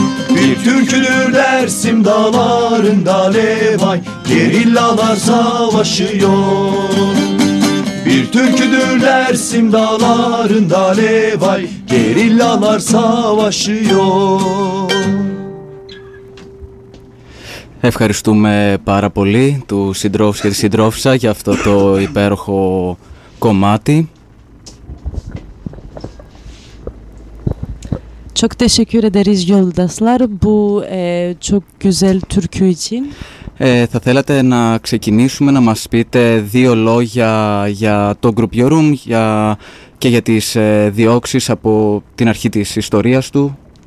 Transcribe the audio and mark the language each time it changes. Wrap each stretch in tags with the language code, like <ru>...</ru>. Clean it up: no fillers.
<tr>Bir türküdür Dersim dağlarında levay, gerillalar savaşıyor. Bir türküdür Dersim dağlarında levay, gerillalar savaşıyor.</tr> <el>Ευχαριστούμε πάρα πολύ του συντρόφου και τη συντρόφισσα για αυτό το υπέροχο κομμάτι.</el> <tr>Çok teşekkür ederiz yoldaşlar bu çok güzel türkü için.</tr> <el>Θα θέλατε να ξεκινήσουμε να μας πείτε δύο λόγια για το Group Your Room και για τις διώξεις από την αρχή της ιστορίας του.</el>